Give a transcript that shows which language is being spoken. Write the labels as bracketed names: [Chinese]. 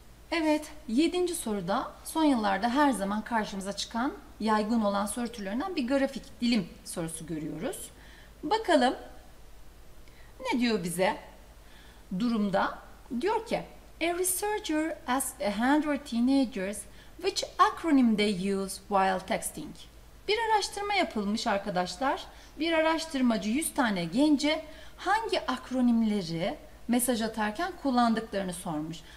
[Turkish] Evet, 7. soruda son yıllarda her zaman karşımıza çıkan yaygın olan soru türlerinden bir grafik dilim sorusu görüyoruz. Bakalım ne diyor bize durumda? Diyor ki, [English] a researcher asked 100 teenagers which acronym they use while texting. [Turkish] Bir araştırma yapılmış arkadaşlar. Bir araştırmacı 100 tane gence hangi akronimleri mesaj atarken kullandıklarını sormuş.